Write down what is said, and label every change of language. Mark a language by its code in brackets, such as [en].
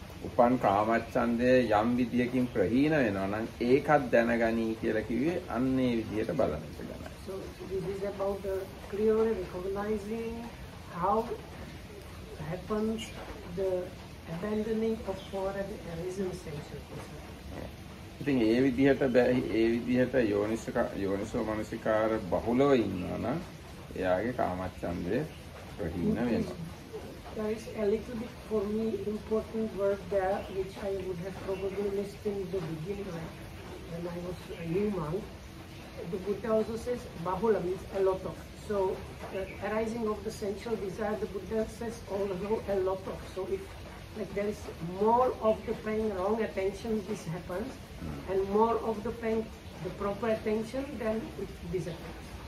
[si] උපන් කාමච්ඡන්දය යම් විදියකින් ප්‍රහීන වෙනවා නම් ඒකත් දැනගනී කියලා කිව්වේ අන්න ඒ විදියට බලන එක ගැනයි. [en] So this is about the clearly recognizing how happens the abandoning of foreign arisen sensual. [si] ඉතින් ඒ විදියට යෝනිසෝ මනසිකාර බහුලව ඉන්නවා නම් එයාගේ කාමච්ඡන්දය ප්‍රහීන වෙනවා. [en] There is a little bit for me important word there which I would have probably missed in the beginning when I was a new monk. The Buddha also says bahula means a lot of. So, arising of the sensual desire, the Buddha says, although a lot of, so if like there is more of the paying wrong attention, this happens, and more of the paying the proper attention, then it disappears.